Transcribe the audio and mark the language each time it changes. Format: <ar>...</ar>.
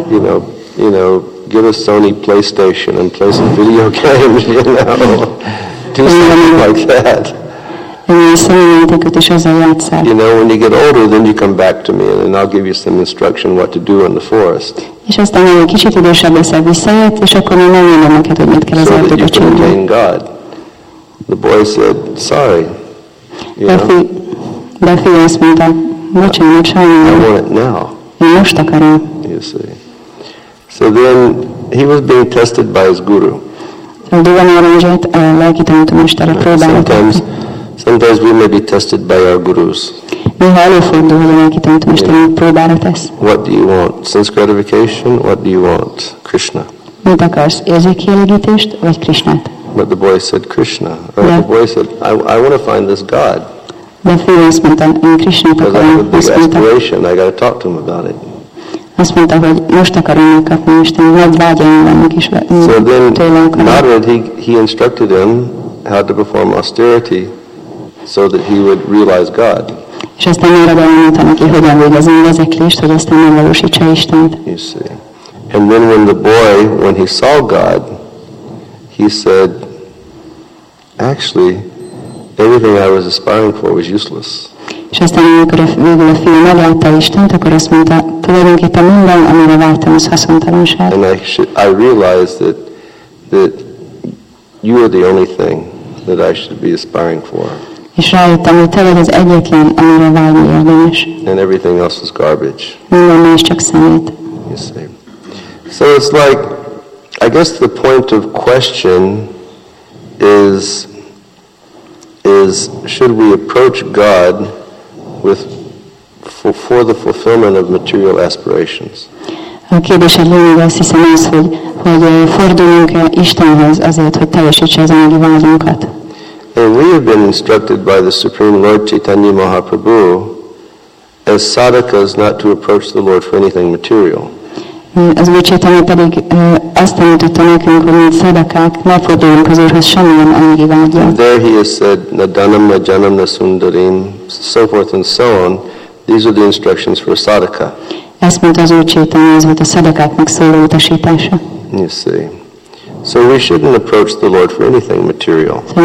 <en>You know, get a Sony PlayStation and play some video games, you know. Do something like that. You know, when you get older, then you come back to me and I'll give you some instruction what to do in the forest.</en> <hu>És aztán egy kicsit idősebb leszel visszajött, és akkor én megmondom neked, hogy mit kell az erdőbe csinálni.</hu> <en>God. The boy said, sorry.</en> <hu>De a fiú azt mondta, bocsánat, sajnálom.</hu> <en>I want it now.</en> <hu>Én most akarom.</hu> <en>You see. So then he was being tested by his guru.</en> <hu>A Dhruva Maharajot a lelki tanítómestere próbálta.</hu> <en>Sometimes we may be tested by our gurus. What do you want? Sense gratification? What do you want? Krishna.</en> <hu>Mit akarsz? Érzékielégítést vagy Krishnát?</hu> <en>But the boy said Krishna. The boy said, I want to find this God.</en> <hu>De a fiú azt mondta, én Krishnát akarom.</hu> <en>Because I have a big aspiration. I got to talk to him about it.</en> <hu>Azt mondta, hogy most akarom megkapni Istenet. Nagy vágyam van, meg is tőle akarom.</hu> <en>So then Narad, he instructed him how to perform austerity so that he would realize God.</en> <hu>És aztán Narada elmondta neki, hogyan végezzen vezeklést, hogy aztán megvalósítsa Istent.</hu> <en>You see. And then when the boy, when he saw God, he said, actually, everything I was aspiring for was useless.</en> <hu>És aztán amikor végül a fiú meglátta Istent, akkor azt mondta, tulajdonképpen minden, amire vártam, az haszontalanság.</hu> <en>And I realized that you are the only thing that I should be aspiring for.</en> <hu>És rájöttem, hogy te vagy az egyetlen, amire vágni érdemes.</hu> <en>And everything else is garbage.</en> <hu>Minden más csak szemét.</hu> <en>You see. So it's like, I guess the point of question is should we approach God with for the fulfillment of material aspirations?</en> <hu>A kérdés a lényeg, azt hiszem az, hogy fordulunk-e Istenhez azért, hogy teljesítse az anyagi vágyunkat.</hu> <en>And we have been instructed by the Supreme Lord Chaitanya Mahaprabhu as sadhakas not to approach the Lord for anything material.</en> <hu>Az Úr Chaitanya pedig azt tanította nekünk, hogy mint szadakák ne forduljunk az Úrhoz semmilyen anyagi vágyra.</hu> <en>There he has said,</en> <sa>na dhanam, na janam, na sundarim,</sa> <en>so forth and so on. These are the instructions for a sadhaka.</en> <hu>Ezt mondta az Úr Chaitanya, ez volt a szadakáknak szóló utasítása.</hu> <en>You see. So we shouldn't approach the Lord for anything material.</en>